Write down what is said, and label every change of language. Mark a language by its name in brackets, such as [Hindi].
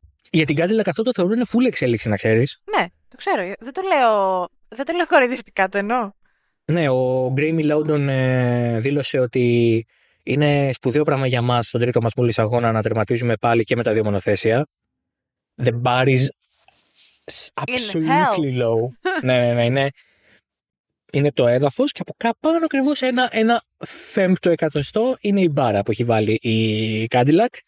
[Greek] Για την Cadillac αυτό το θεωρώ είναι full εξέλιξη, να ξέρεις. Ναι, το ξέρω, δεν το λέω κοροϊδευτικά, το εννοώ. Ναι, ο Graeme Lawton δήλωσε ότι είναι σπουδαίο πράγμα για μας στον τρίτο μας μόλις αγώνα να τερματίζουμε πάλι και με τα δύο μονοθέσια. [English] The bar is absolutely low. [Greek] Ναι, ναι, ναι, είναι το έδαφος και από κάπου ακριβώς ένα φέμπτο εκατοστό είναι η μπάρα που έχει βάλει η Cadillac.